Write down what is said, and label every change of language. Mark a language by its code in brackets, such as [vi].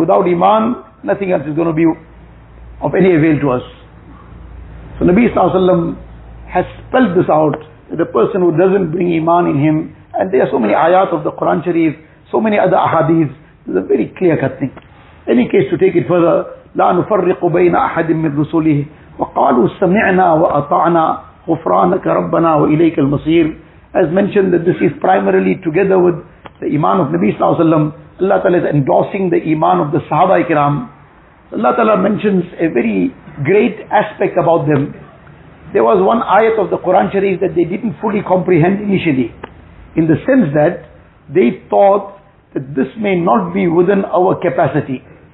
[en] Without Iman, nothing else is going to be of any avail to us. So Nabi Sallallahu Alaihi Wasallam has spelled this out, that the person who doesn't bring Iman in him, and there are so many ayat of the Quran Sharif, so many other ahadith, this is a very clear cut thing. Any case, to take it further, [ar] لا نفرق بين أحد من رسوله وقالوا سمعنا وأطعنا غفرانك ربنا وإليك المصير. [en] As mentioned, that this is primarily together with the Iman of Nabi Sallallahu Alaihi Wasallam. Allah Ta'ala is endorsing the Iman of the Sahaba Ikram. Allah Ta'ala mentions a very great aspect about them. There was one ayat of the Quran Sharif that they didn't fully comprehend initially, in the sense that they thought that this may not be within our capacity.